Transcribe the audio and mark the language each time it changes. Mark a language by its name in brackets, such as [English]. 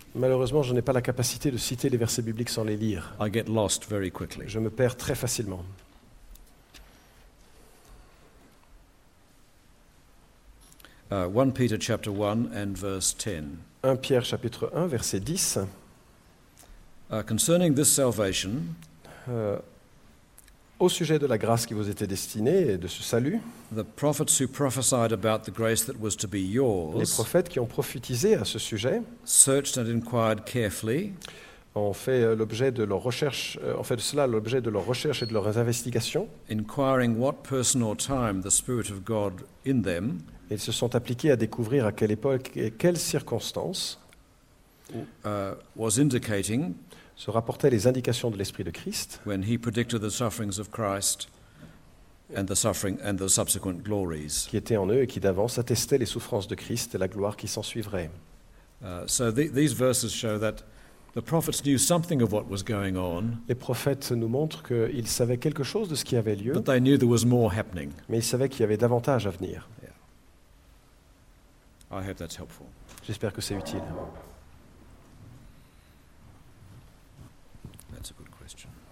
[French] Malheureusement, je n'ai pas la capacité de citer les versets bibliques sans les lire. [English] I get lost very quickly. [French] Je me perds très facilement. [English] One Peter chapter 1 and verse 10. [French] 1 Pierre chapitre 1 verset 10. [English] Concerning this salvation, [French] au sujet de la grâce qui vous était destinée et de ce salut, [English] the prophets who prophesied about the grace that was to be yours, [French] les prophètes qui ont prophétisé à ce sujet, [English] searched and inquired carefully, [French] ont fait l'objet de leur recherche, en fait cela l'objet de leur recherche et de leurs investigations, [English] inquiring what person or time the Spirit of God in them. [French] Ils se sont appliqués à découvrir à quelle époque et quelles circonstances [English] was indicating [French] se rapportaient les indications de l'Esprit de Christ, [English] when he predicted the sufferings of Christ and the suffering and the subsequent glories, [French] qui étaient en eux et qui d'avance attestaient les souffrances de Christ et la gloire qui s'ensuivrait. [English] These verses show that the prophets knew something of what was going on. [French] Les prophètes nous montrent qu'ils savaient quelque chose de ce qui avait lieu, [English] but they knew there was more happening. [French] Mais ils savaient qu'il y avait davantage à venir. [English] I hope that's helpful. [French] J'espère que c'est utile. [English] That's a good question.